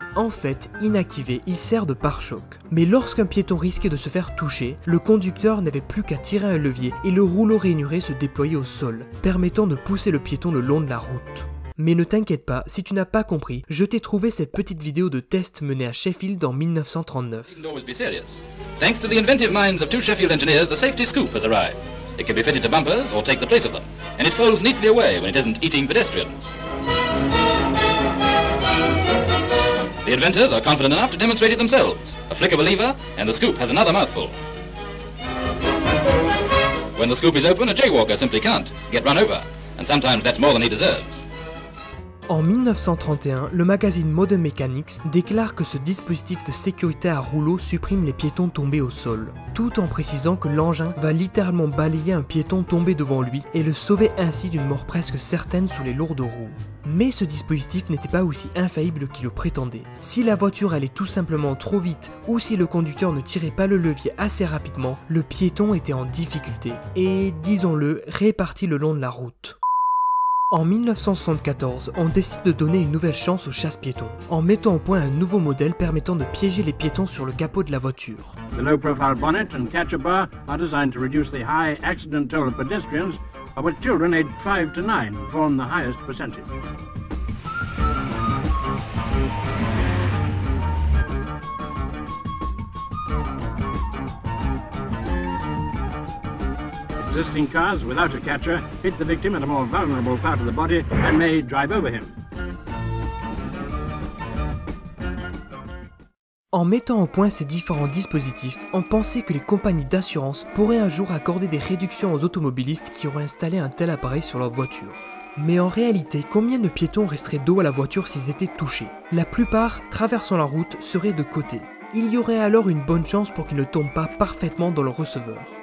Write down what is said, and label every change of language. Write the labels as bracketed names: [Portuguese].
[French] En fait, inactivé, il sert de pare-choc. Mais lorsqu'un piéton risquait de se faire toucher, le conducteur n'avait plus qu'à tirer un levier et le rouleau rainuré se déployait au sol, permettant de pousser le piéton le long de la route. Mais ne t'inquiète pas, si tu n'as pas compris, je t'ai trouvé cette petite vidéo de test menée à Sheffield en 1939. [English] Thanks to the inventive minds of two Sheffield engineers, the safety scoop has arrived. It can be fitted to bumpers or take the place of them, and it folds neatly away when it isn't eating pedestrians. The inventors are confident enough to demonstrate it themselves. A flick of a lever, and the scoop has another mouthful. When the scoop is open, a jaywalker simply can't get run over, and sometimes that's more than he deserves. [French] En 1931, le magazine Modern Mechanics déclare que ce dispositif de sécurité à rouleau supprime les piétons tombés au sol, tout en précisant que l'engin va littéralement balayer un piéton tombé devant lui et le sauver ainsi d'une mort presque certaine sous les lourdes roues. Mais ce dispositif n'était pas aussi infaillible qu'il le prétendait. Si la voiture allait tout simplement trop vite ou si le conducteur ne tirait pas le levier assez rapidement, le piéton était en difficulté et, disons-le, réparti le long de la route. En 1974, on décide de donner une nouvelle chance aux chasse-piétons, en mettant au point un nouveau modèle permettant de piéger les piétons sur le capot de la voiture. [English] The low-profile bonnet and catcher bar are designed to reduce the high accident toll of pedestrians, of which children aged 5 to 9 form the highest percentage. Existing cars without a catcher hit the victim at a more vulnerable part of the body and may drive over him. [French] En mettant au point ces différents dispositifs, on pensait que les compagnies d'assurance pourraient un jour accorder des réductions aux automobilistes qui auraient installé un tel appareil sur leur voiture. Mais en réalité, combien de piétons resteraient dos à la voiture s'ils étaient touchés? La plupart, traversant la route, seraient de côté. Il y aurait alors une bonne chance pour qu'ils ne tombent pas parfaitement dans le receveur.